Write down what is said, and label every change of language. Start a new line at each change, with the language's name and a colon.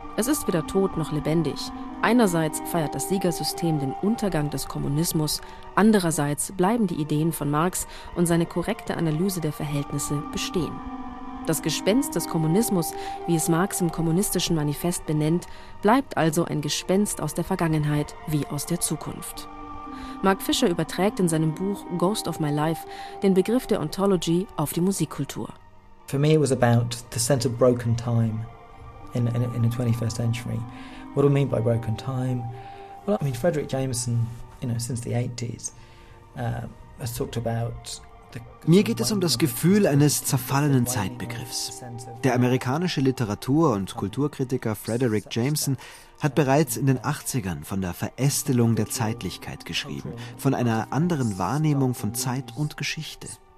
German: Es ist weder tot noch lebendig. Einerseits feiert das Siegersystem den Untergang des Kommunismus, andererseits bleiben die Ideen von Marx und seine korrekte Analyse der Verhältnisse bestehen. Das Gespenst des Kommunismus, wie es Marx im Kommunistischen Manifest benennt, bleibt also ein Gespenst aus der Vergangenheit wie aus der Zukunft. Mark Fisher überträgt in seinem Buch Ghost of My Life den Begriff der Ontology auf die Musikkultur.
English: For me it was about the sense of broken time. In the 21st century. What do I mean by broken time? Well, I mean, Frederick Jameson, you know, since the 80s, has talked about.
German: Mir geht es um das Gefühl eines zerfallenen Zeitbegriffs. Der amerikanische Literatur- und Kulturkritiker Frederick Jameson hat bereits in den 80ern von der Verästelung der Zeitlichkeit geschrieben, von einer anderen Wahrnehmung von Zeit und Geschichte.